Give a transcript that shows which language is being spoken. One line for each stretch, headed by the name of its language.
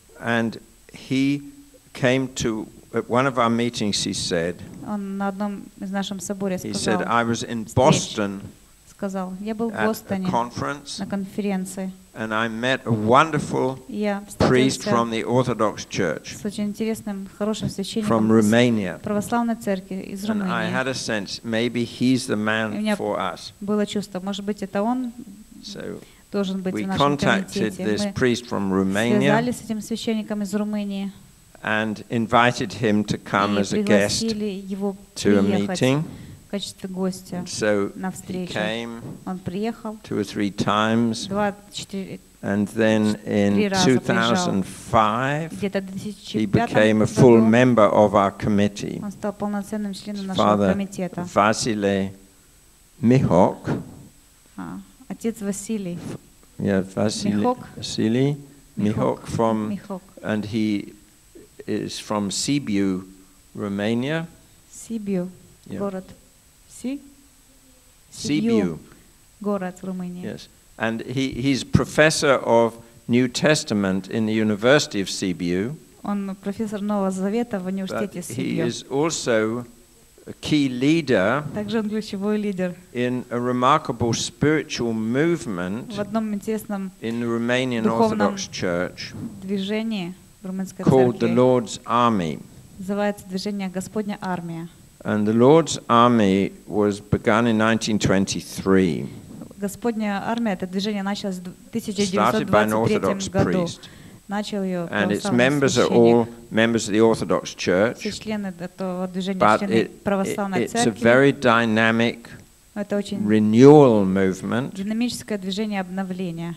English: And he came to at one of our meetings. He said.
Russian: Он на одном из нашем соборе сказал.
English: He said I was in Boston.
Russian: Сказал, я был в Бостоне на конференции.
English: And I met a wonderful priest from the Orthodox Church.
Russian: С очень интересным, хорошим священником.
English: From Romania.
Russian: Православной церкви из Румынии.
English: And I had a sense maybe he's the man for us.
Russian: Было чувство, может быть, это он должен быть в нашем комитете. Мы связались с этим священником из Румынии.
English: And invited him to come as a guest to a meeting.
Russian: В качестве гостя на встречу. Он приехал
English: two or three times,
Russian: два-четыре
English: And then in 2005, he became a full member of our committee.
Russian: Он стал полноценным членом нашего
English: Father
Russian: комитета. Василий Михок. Отец Василий.
English: Василий Михок from
Russian: Михок.
English: And he is from Sibiu, Romania.
Russian: Sibiu. Город. Sibiu. Город в Румынии.
English: Yes. And he's professor of New Testament in the University of Sibiu.
Russian: Он профессор Нового Завета в университете Сибью.
English: He is also a key leader.
Russian: Также он ключевой лидер.
English: In a remarkable spiritual movement.
Russian: В одном интересном
English: in the Romanian Orthodox Church.
Russian: Движение в Румынской Церкви.
English: Called the Lord's Army.
Russian: Называется движение Господня Армия.
English: And the Lord's Army was begun in 1923.
Russian: Господня армия, это движение началось в 1923 году.
English: And its members are all members of the Orthodox Church.
Russian: Все члены этого движения члены православной церкви.
English: It's a very dynamic renewal movement.
Russian: Динамическое движение обновления.